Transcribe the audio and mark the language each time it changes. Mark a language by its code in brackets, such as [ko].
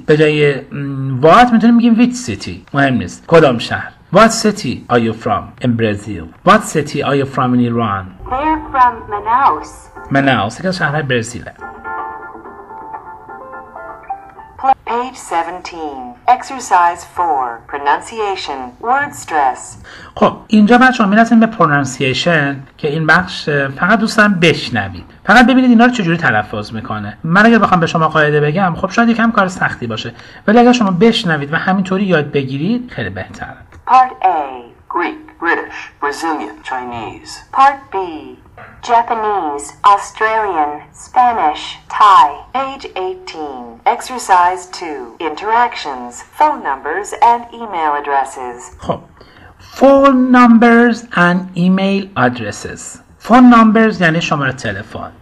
[fa] به جای what میتونیم بگیم [en] which city. [fa] مهم نیست. کدوم شهر. [en] What city are you from in Brazil? What city are you from in Iran? They're from Manaus. [fa] یک از شهرهای برزیله. [en] Page 17. Exercise 4. Pronunciation. Word stress. [fa] خب اینجا بچه‌ها می‌رسیم به پرونسیشن که این بخش فقط دوستان بشنوید. فقط ببینید اینا رو چجوری تلفظ میکنه. من اگر بخوام به شما قاعده بگم خب شاید یکم کار سختی باشه. ولی اگر شما بشنوید و همینطوری یاد بگیرید خیلی بهتره. [en] Part A. Greek, British, Brazilian, Chinese. Part B. Japanese, Australian, Spanish, Thai. Page 18. Exercise 2. Interactions, phone numbers and email addresses. [fa] خب. [en] Phone numbers and email addresses. [fa] Phone numbers یعنی شماره تلفن.